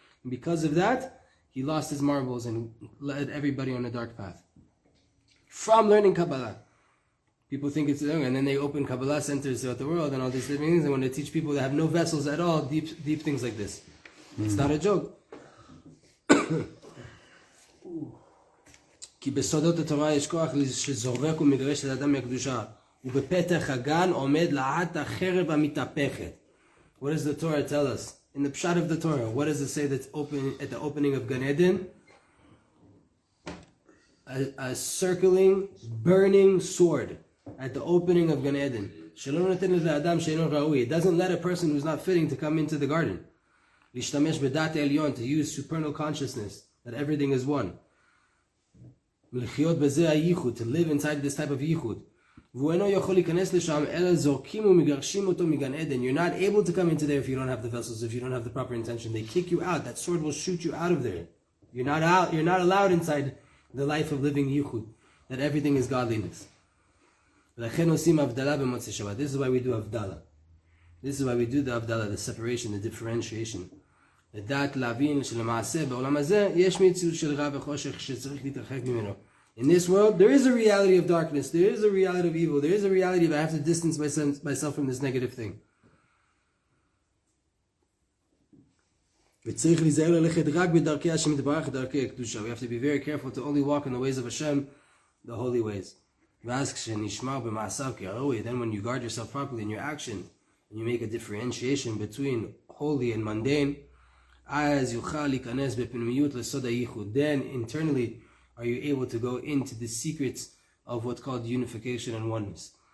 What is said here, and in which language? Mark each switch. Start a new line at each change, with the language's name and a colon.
English: And because of that, he lost his marbles and led everybody on a dark path. From learning Kabbalah. People think it's wrong, and then they open Kabbalah centers throughout the world and all these different things, and want to teach people that have no vessels at all, deep things like this. It's not a joke.
Hebrew: כי בסודות התורה יש כוח שזורק ומגרש את האדם מהקדושה ובפתח הגן עומד לעת החרב המתהפכת.
English: What does the Torah tell us? In the pshat of the Torah, what does it say that's open at the opening of Gan Eden? A circling, burning sword at the opening of Gan Eden.
Hebrew: שלא נותן לאדם שאינו ראוי.
English: It doesn't let a person who's not fitting to come into the garden.
Hebrew: להשתמש בדעת העליון,
English: to use supernal consciousness, that everything is one.
Hebrew: לחיות בזה הייחוד,
English: to live inside this type of ייחוד.
Hebrew: והוא אינו יכול להיכנס לשם, אלא זורקים ומגרשים אותו מגן עדן.
English: You're not able to come into there if you don't have the vessels, if you don't have the proper intention. They kick you out. That sword will shoot you out of there. You're not allowed inside the life of living ייחוד. That everything is godliness.
Hebrew: ולכן עושים הבדלה במוצא שבת.
English: This is why we do הבדלה. This is why we do the הבדלה, the separation, the differentiation.
Hebrew: לדעת להבין שלמעשה בעולם הזה יש מציאות של רע וחושך שצריך להתרחק ממנו.
English: In this world, there is a reality of darkness, there is a reality of evil, there is a reality of I have to distance myself from this negative thing.
Hebrew: וצריך להיזהר ללכת רק בדרכי השם יתברך, דרכי הקדושה.
English: We have to be very careful to only walk in the ways of Hashem, the holy ways.
Hebrew: ואז כשנשמע במעשיו כראוי,
English: then when you guard yourself properly in your action, and you make a differentiation between holy and mundane,
Hebrew: אז יוכל להיכנס בפנימיות לסוד הייחוד.
English: Then internally, are you able to go into the secrets of what's called unification and oneness.